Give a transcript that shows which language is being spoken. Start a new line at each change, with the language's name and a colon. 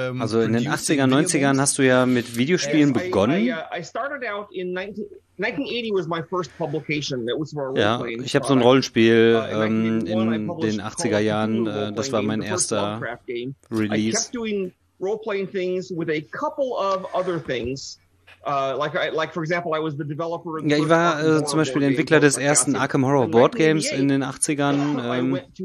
German: also in den 80ern, 90ern hast du ja mit Videospielen begonnen.
English: I started out in 1980 was my first publication. That was for a role-playing.
German: Ja, ich habe so ein Rollenspiel in den 80er Jahren, das war mein erster Release.
English: I kept doing role-playing things with a couple of other things. For example, I was the developer of the
German: Ich war zum Beispiel der Entwickler des ersten Arkham Horror Board Games in den 80ern.